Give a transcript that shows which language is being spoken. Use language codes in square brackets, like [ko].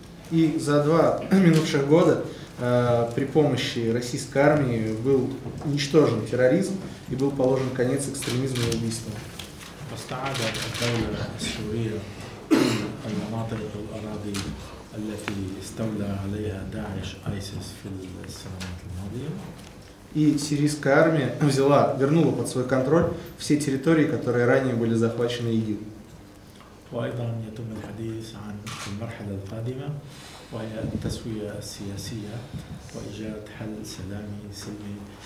[ru] И за два минувших года при помощи российской армии был уничтожен терроризм и был положен конец экстремизму и убийствам. [ar] واستعادت الدولة السورية المناطق والأراضي التي استولى عليها داعش ISIS في السنوات الماضية. [ru] И сирийская армия взяла, вернула под свой контроль все территории, которые ранее были захвачены ИГИЛ. [ar] وأيضا يتم الحديث عن المرحلة القادمة وهي التسوية السياسية وإيجاد حل سلامي سلمي.